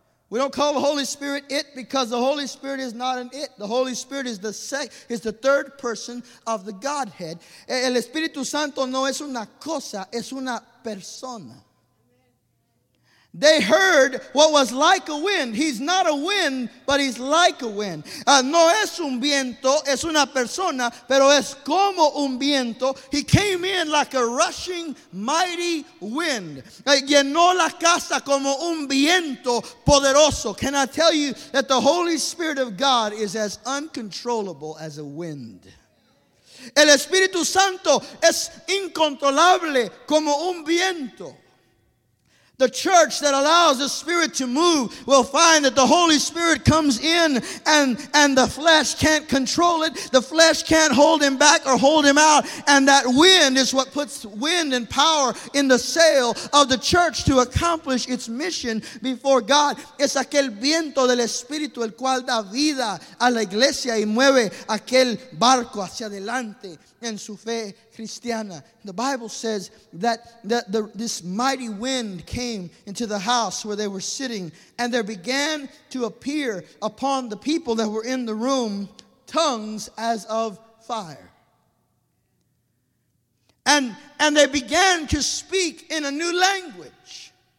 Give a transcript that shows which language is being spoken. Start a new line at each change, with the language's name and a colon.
English: We don't call the Holy Spirit it, because the Holy Spirit is not an it. The Holy Spirit is the third person of the Godhead.
Spanish: El Espíritu Santo no es una cosa, es una persona.
English: They heard what was like a wind. He's not a wind, but he's like a wind.
Spanish: No es un viento, es una persona, pero es como un viento.
English: He came in like a rushing, mighty wind.
Spanish: Llenó la casa como un viento poderoso.
English: Can I tell you that the Holy Spirit of God is as uncontrollable as a wind?
Spanish: El Espíritu Santo es incontrolable como un viento.
English: The church that allows the Spirit to move will find that the Holy Spirit comes in and the flesh can't control it. The flesh can't hold him back or hold him out. And that wind is what puts wind and power in the sail of the church to accomplish its mission before God.
Spanish: Es aquel viento del Espíritu el cual da vida a la iglesia y mueve aquel barco hacia adelante en su fe cristiana.
English: The Bible says that this mighty wind came into the house where they were sitting, and there began to appear upon the people that were in the room tongues as of fire. And they began to speak in a new language.